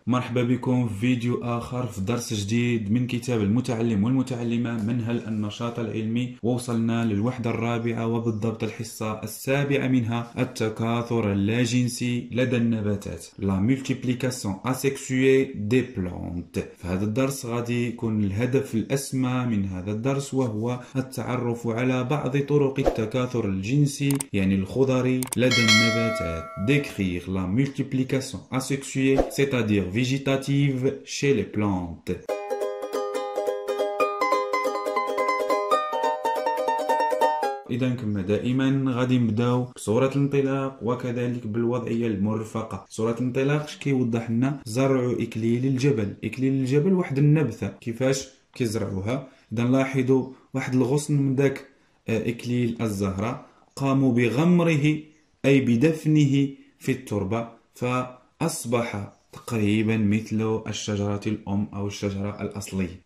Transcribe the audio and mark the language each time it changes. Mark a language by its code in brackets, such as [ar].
[ar] مرحبا بكم في فيديو آخر في درس جديد من كتاب المتعلم والمتعلمة منهل النشاط العلمي، ووصلنا للوحدة الرابعة وبالضبط الحصة السابعة منها التكاثر اللاجنسي لدى النباتات [fr] La multiplication asexuée des plantes. [ar] في هذا الدرس غادي يكون الهدف الأسمى من هذا الدرس وهو التعرف على بعض طرق التكاثر الجنسي يعني الخضري لدى النباتات. [fr] décrire la multiplication asexuée c'est-à-dire végétative chez les plantes. [ar] إذا كما دائما غادي نبداو بصورة الانطلاق وكذلك بالوضعية المرفقة. صورة الانطلاق اش كيوضح لنا؟ زرع إكليل الجبل. إكليل الجبل واحد النبتة، كيفاش كيزرعوها؟ إذا لاحظوا واحد الغصن من ذاك إكليل الزهرة قاموا بغمره أي بدفنه في التربة، فأصبح تقريبا مثل الشجرة الأم أو الشجرة الأصلية.